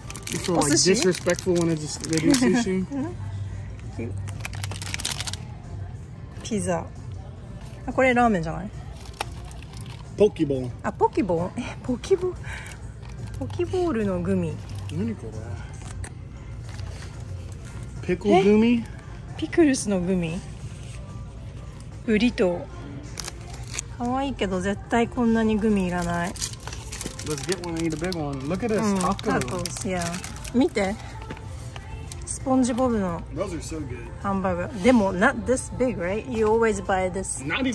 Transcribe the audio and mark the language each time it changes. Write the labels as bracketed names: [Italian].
[English] You feel like disrespectful when it's ready sushi. Cute. Pizza. [Japanese] あ、これラーメンじゃない。ポキボー。あ、ポキボー？え、ポキボー。ポキボールの gummy。何これ？ピクルグミ？ピクルスのグミ？ブリトー。可愛いけど絶対こんなにグミいらない。 [English] Let's get one and eat a big one. Look at this taco. Tacos, yeah. [Japanese] 見て。スポンジボブの。 [English] Those are so good. [Japanese] ハンバーガー。 [English] でも not this big, right? You always buy this tiny.